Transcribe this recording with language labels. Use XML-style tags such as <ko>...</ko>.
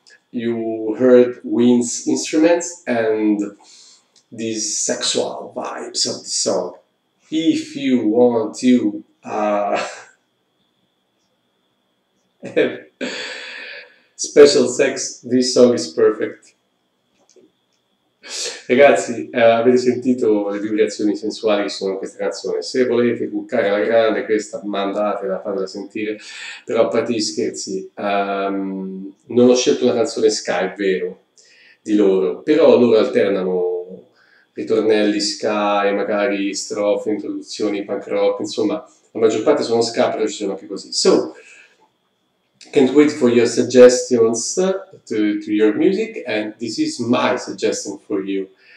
<en>You heard Wynn's instruments and these sexual vibes of the song. If you want to have special sex, this song is perfect.</en> <it>Ragazzi, avete sentito le vibrazioni sensuali che sono in questa canzone. Se volete cuccare alla grande questa, mandatela, fatela sentire. Però a parte gli scherzi, non ho scelto una canzone ska, è vero, di loro. Però loro alternano ritornelli ska e magari strofe, introduzioni, punk rock. Insomma, la maggior parte sono ska, però ci sono anche così.</it> <en>So, can't wait for your suggestions to your music, and this is my suggestion for you.</en>